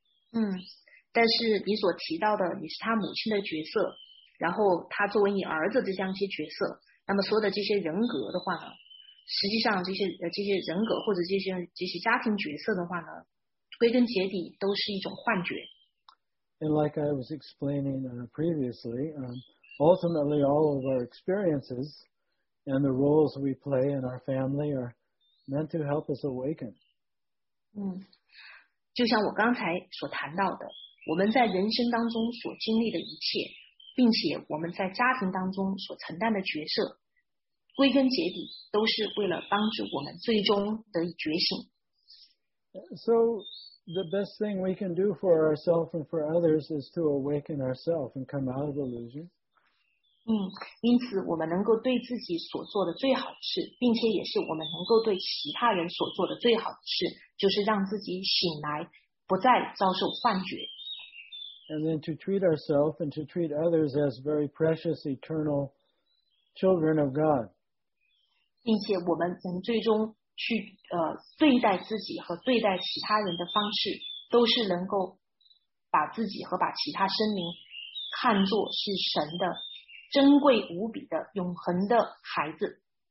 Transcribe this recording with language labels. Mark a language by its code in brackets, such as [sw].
[zh] 但是你所提到的你是他母亲的角色然后他作为你儿子这样一些角色那么所有的这些人格的话呢实际上这些人格或者这些家庭角色的话呢归根结底都是一种幻觉。 [en] And like I was explaining previously, ultimately all of our experiences,And the roles we play in our family are meant to help us awaken. [zh] 就像我刚才所谈到的，我们在人生当中所经历的一切，并且我们在家庭当中所承担的角色，归根结底都是为了帮助我们最终得以觉醒。 [en] So the best thing we can do for ourselves and for others is to awaken ourselves and come out of illusion. [zh] 因此我们能够对自己所做的最好的事并且也是我们能够对其他人所做的最好的事就是让自己醒来不再遭受幻觉。 [en] And then to treat ourselves and to treat others as very precious eternal children of God. [zh] 并且我们能最终去对待自己和对待其他人的方式都是能够把自己和把其他生灵看作是神的。珍贵无比的永恒的孩子。